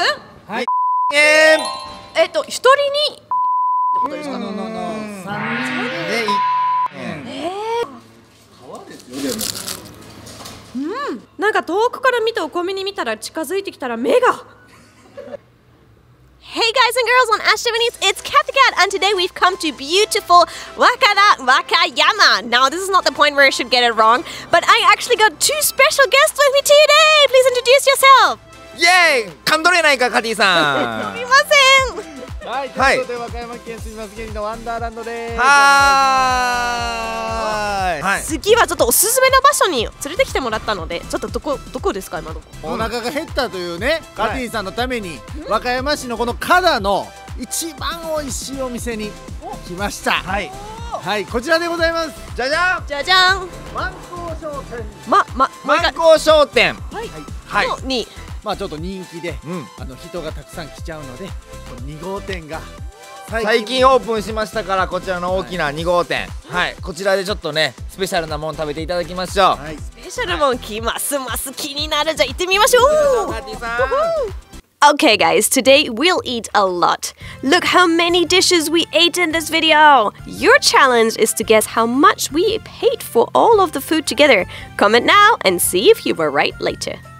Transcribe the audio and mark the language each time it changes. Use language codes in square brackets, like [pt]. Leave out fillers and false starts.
[ja] はい、一人にってことですか。なんか遠くから見てお米に見たら近づいてきたら目が。 [en] Hey guys and girls on Ash Japanese, it's Cathcat and today we've come to beautiful Wakada Wakayama. Now this is not the point where I should get it wrong, but I actually got two special guests with me today. Please introduce yourself. Yay! [ja] 感動れないかカティさん。すみません。はい、ということで、和歌山県住みます芸人のワンダーランドでーす。はーい、はい、次はちょっとおすすめの場所に連れてきてもらったので、ちょっとどこですか今どこ。お腹が減ったというね、カティさんのために、はい、和歌山市のこの加賀の一番おいしいお店に来ました。はい、はい、こちらでございます。じゃじゃんじゃじゃん、万光商店。万光商店、はい、はい、のに、まあちょっと人気で、うん、あの人がたくさん来ちゃうので、この2号店が最近オープンしましたから、こちらの大きな2号店、はい、はい、こちらでちょっとねスペシャルなもん食べていただきましょう、はい、スペシャルもん、はい、ますます気になる。じゃあ行ってみましょう。 [en] Okay guys, today we'll eat a lot. Look how many dishes we ate in this video. Your challenge is to guess how much we paid for all of the food together. Comment now and see if you were right later.